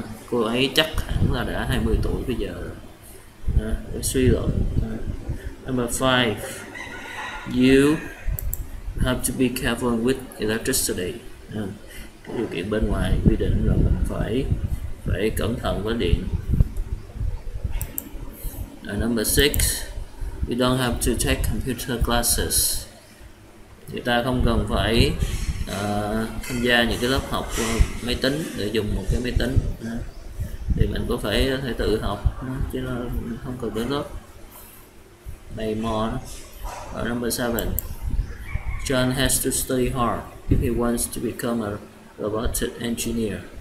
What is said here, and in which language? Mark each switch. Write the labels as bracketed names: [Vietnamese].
[Vietnamese] Cô ấy chắc hẳn là đã 20 tuổi bây giờ. Suy luận. [English] Number five, you have to be careful with electricity. [Vietnamese] Cái điều kiện bên ngoài quy định là mình phải cẩn thận với điện. [English] Number six, you don't have to take computer classes. [Vietnamese] Người ta không cần phải tham gia những cái lớp học máy tính để dùng một cái máy tính. Thì mình có phải thể tự học chứ nó không cần đến lớp. Mày mò. [English] Number seven, John has to study hard if he wants to become a robotic engineer.